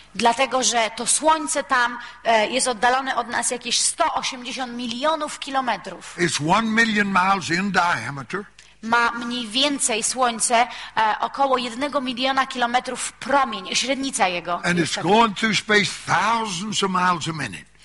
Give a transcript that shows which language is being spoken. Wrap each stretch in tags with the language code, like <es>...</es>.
<pl>Dlatego, że to słońce tam jest oddalone od nas jakieś 180 milionów kilometrów.</pl> <en>It's 1 million miles in diameter.</en> <pl>Ma mniej więcej słońce około 1 miliona kilometrów promień, średnica jego.</pl> <en>And it's going through space thousands of miles a minute.</en>